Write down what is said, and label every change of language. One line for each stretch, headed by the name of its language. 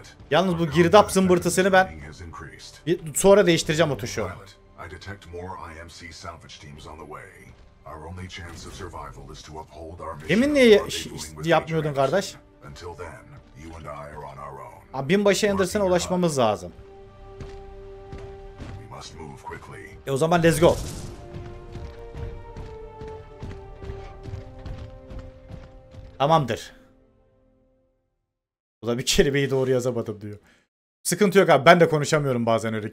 Turkish: Yalnız bu girdap zımbırtısını ben sonra değiştireceğim o tuşu.
English: I detect more IMC salvage teams on the way. Our only chance of survival is to uphold our mission.
Turkish: Emin niye yapmıyordun kardeş?
English: Until then, you and I are on our own.
Turkish: Abi binbaşı Anderson'a ulaşmamız lazım.
English: We must move quickly.
Turkish: E o zaman
English: let's go.
Turkish: Tamamdır. O da bir kelimeyi doğru yazamadım diyor. Sıkıntı yok abi, ben de konuşamıyorum bazen öyle.